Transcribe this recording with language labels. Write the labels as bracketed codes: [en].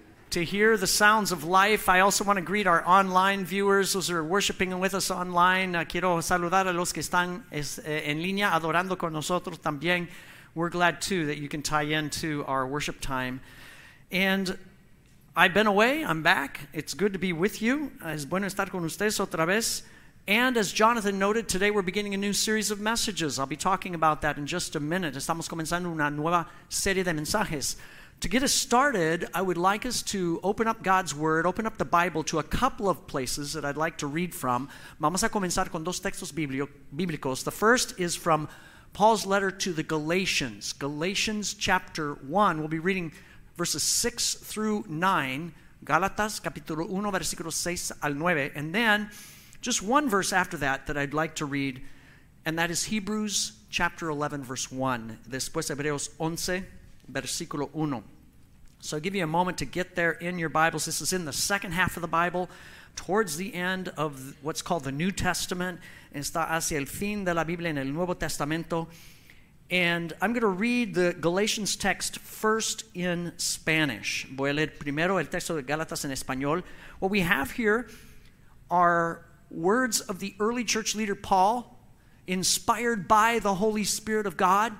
[en] To hear the sounds of life, I also want to greet our online viewers, those who are worshiping with us online. [es] Quiero saludar a los que están en línea adorando con nosotros también. [en] We're glad, too, that you can tie into our worship time. And I've been away. I'm back. It's good to be with you. [es] Es bueno estar con ustedes otra vez. [en] And as Jonathan noted, today we're beginning a new series of messages. I'll be talking about that in just a minute. [es] Estamos comenzando una nueva serie de mensajes. [en] To get us started, I would like us to open up God's Word, open up the Bible to a couple of places that I'd like to read from. [es] Vamos a comenzar con dos textos bíblicos. [en] The first is from Paul's letter to the Galatians. Galatians chapter 1. We'll be reading verses 6 through 9. [es] Galatas capítulo 1, versículos 6 al 9. [en] And then just one verse after that that I'd like to read, and that is Hebrews chapter 11, verse 1. [es] Después Hebreos 11, versículo 1. [en] So I'll give you a moment to get there in your Bibles. This is in the second half of the Bible, towards the end of what's called the New Testament. [es] Está hacia el fin de la Biblia en el Nuevo Testamento. [en] And I'm going to read the Galatians text first in Spanish. [es] Voy a leer primero el texto de Gálatas en español. [en] What we have here are words of the early church leader Paul, inspired by the Holy Spirit of God.